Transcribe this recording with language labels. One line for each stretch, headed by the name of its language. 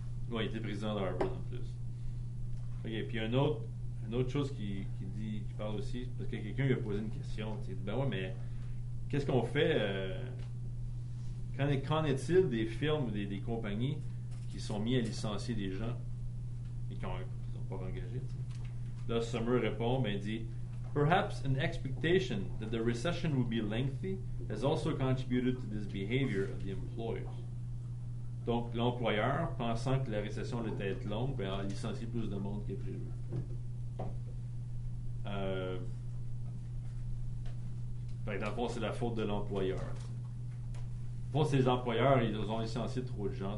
French: Oui, il était président d'Harvard en plus. OK, puis une autre chose qui parle aussi, parce que quelqu'un lui a posé une question, tu sais, ben ouais, mais qu'est-ce qu'on fait qu'en est-il des firmes, des compagnies qui sont mis à licencier des gens et qui n'ont pas engagé, tu sais? Là, Summer répond, ben il dit,
English: perhaps an expectation that the recession would be lengthy has also contributed to this behavior of the employers.
French: Donc, l'employeur, pensant que la récession allait être longue, bien, a licencié plus de monde qu'il prévu. Dans le fond, c'est la faute de l'employeur. Pour ces employeurs, ils ont licencié trop de gens.